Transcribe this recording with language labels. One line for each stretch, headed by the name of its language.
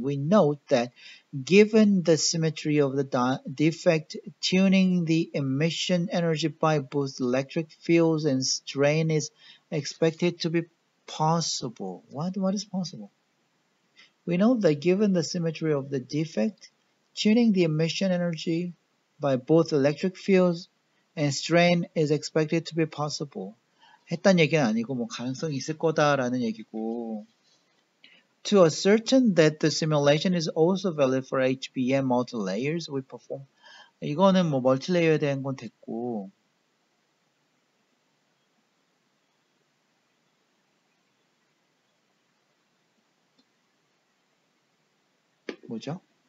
English: We note that given the symmetry of the defect, tuning the emission energy by both electric fields and strain is expected to be possible. What is possible? We note that given the symmetry of the defect, tuning the emission energy by both electric fields and strain is expected to be possible.
Korean: 했단 얘기는 아니고 뭐 가능성이 있을 거다라는 얘기고.
English: To ascertain that the simulation is also valid for HBM multilayers we perform.
Korean: 이거는 뭐 멀티레이어에 대한 건 됐고. 뭐죠?